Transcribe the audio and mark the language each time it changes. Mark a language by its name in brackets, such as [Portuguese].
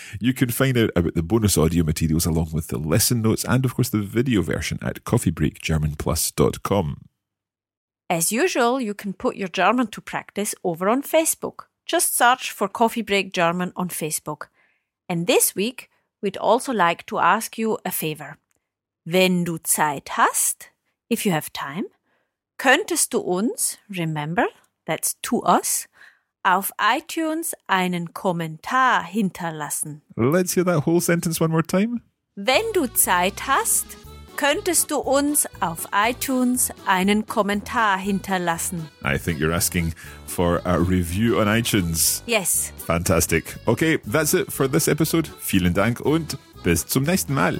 [English] You can find out about the bonus audio materials along with the lesson notes and, of course, the video version at coffeebreakgermanplus.com. As usual, you can put your German to practice over on Facebook. Just search for Coffee Break German on Facebook. And this week, we'd also like to ask you a favor. [German] Wenn du Zeit hast, [English] if you have time, [German] könntest du uns, [English] remember, that's to us, [German] auf iTunes einen Kommentar hinterlassen. [English] Let's hear that whole sentence one more time. [German] Wenn du Zeit hast, könntest du uns auf iTunes einen Kommentar hinterlassen. [English] I think you're asking for a review on iTunes. Yes. Fantastic. Okay, that's it for this episode. [German] Vielen Dank und bis zum nächsten Mal.